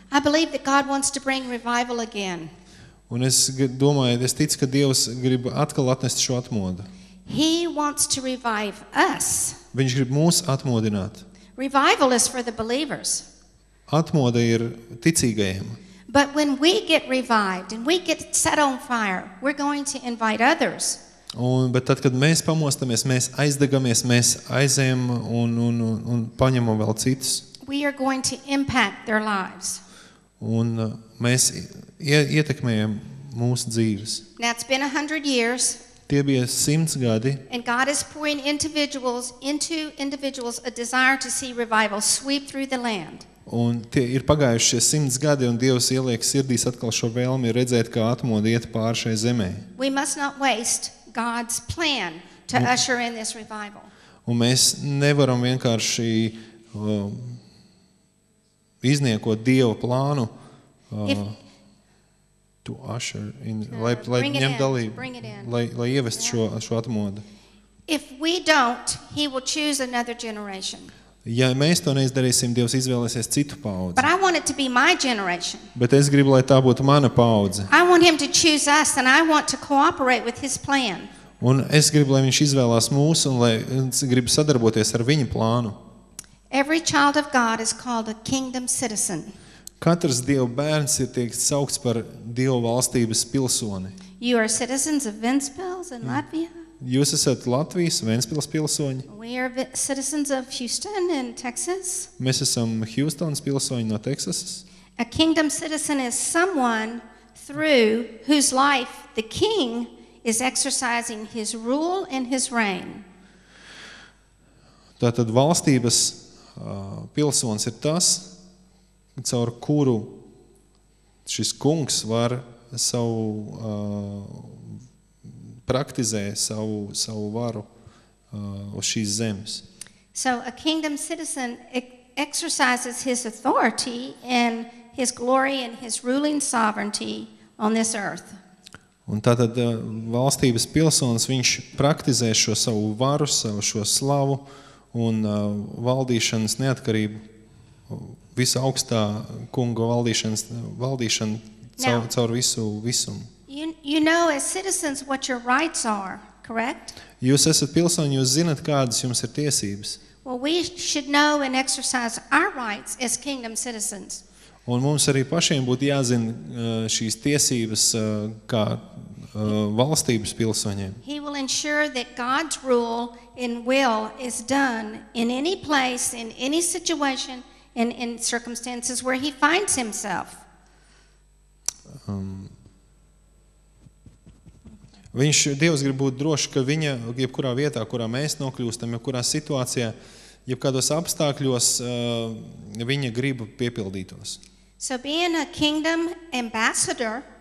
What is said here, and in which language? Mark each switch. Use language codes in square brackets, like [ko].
[en] I believe that God wants to bring revival again. [lv] Un es domāju, es ticu, ka Dievs grib atkal atnest šo atmodu. [en] He wants to revive us. [lv] Viņš grib mūs atmodināt. [en] Revival is for the believers. [lv] Atmode ir ticīgajiem. [en] But when we get revived and we get set on fire, we're going to invite others. [lv] Un, bet tad, kad mēs pamostamies, mēs aizdegamies, mēs aizējam un paņemam vēl citus. [en] We are going to impact their lives. [lv] Un mēs ietekmējam mūsu dzīves. [en] Now it's been 100 years. [lv] Tie bija 100 gadi. [en] And God is pouring individuals into individuals a desire to see revival sweep through the land. [lv] Un tie ir pagājušie 100 gadi, un Dievs ieliek sirdīs atkal šo vēlmi redzēt, kā atmodi iet pār šai zemē. [en] We must not waste God's plan to usher in this revival. [lv] Un mēs nevaram vienkārši izniekot Dieva plānu [en] to usher in, [lv] lai ņem dalību, lai ievest šo atmodu. [en] If we don't, he will choose another generation. [lv] Ja mēs to neizdarīsim, Dievs izvēlēsies citu paudzi. [en] But I want it to be my generation. [lv] Bet es gribu, lai tā būtu mana paudze. [en] I want him to choose us and I want to cooperate with his plan. [lv] Un es gribu, lai viņš izvēlās mūs un lai es gribu sadarboties ar viņa plānu. [en] Every child of God is called a kingdom citizen. [lv] Katrs Dieva bērns ir tiek saukts par Dieva valstības pilsoni. [en] You are citizens of Ventspils and Latvia. [lv] Jūs esat Latvijas Ventspils pilsoņi. [en] We are citizens of Houston in Texas. [lv] Mēs esam Houstonas pilsoņi no Teksasas. [en] A kingdom citizen is someone through whose life the king is exercising his rule and his reign. [lv] Tātad valstības pilsons ir tas, caur kuru šis kungs var savu praktizē savu varu uz šīs zemes. [en] So a kingdom citizen exercises his authority and his glory and his ruling sovereignty on this earth. [lv] Un tātad valstības pilsons, viņš praktizē šo savu varu, savu šo slavu un valdīšanas neatkarību visa augstā kunga valdīšanu caur visu visumu. [en] You know as citizens what your rights are, correct? [lv] Jūs esat pilsoņi, jūs zināt, kādas jums ir tiesības. [en] Well, we should know and exercise our rights as kingdom citizens. [lv] Un mums arī pašiem būtu jāzina šīs tiesības kā valstības pilsoņiem. [en] He will ensure that God's rule and will is done in any place, in any situation, in circumstances where he finds himself. [lv] Viņš, Dievs grib būt droši, ka viņa, jebkurā vietā, kurā mēs nokļūstam, jebkurā situācijā, jebkādos apstākļos, viņa grib piepildītos. [en] So being a kingdom ambassador,